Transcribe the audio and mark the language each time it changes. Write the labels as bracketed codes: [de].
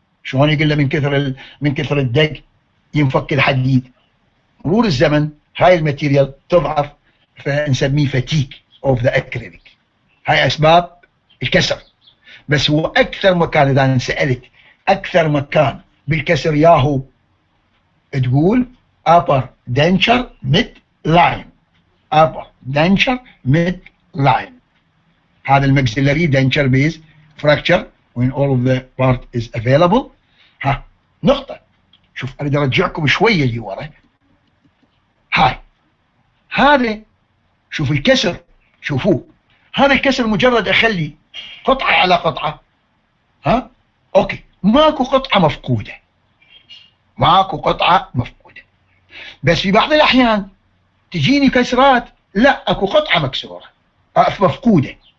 [ar] شلون يقول له من كثر الدق ينفك الحديد، مرور الزمن هاي الماتيريال تضعف فنسميه فتيك اوف ذا اكريليك. هاي اسباب الكسر. بس هو اكثر مكان اذا سألت اكثر مكان بالكسر ياهو تقول [en] upper denture mid line. upper denture mid line هذا المكسيلري denture base fracture when all of the part is available. [ar] ها نقطة، شوف أريد أرجعكم شوية لورا. هاي هذا شوف الكسر، شوفوه هذا الكسر مجرد أخلي قطعة على قطعة. ها أوكي ماكو قطعة مفقودة، ماكو قطعة مفقودة، بس في بعض الأحيان تجيني كسرات لا أكو قطعة مكسورة مفقودة.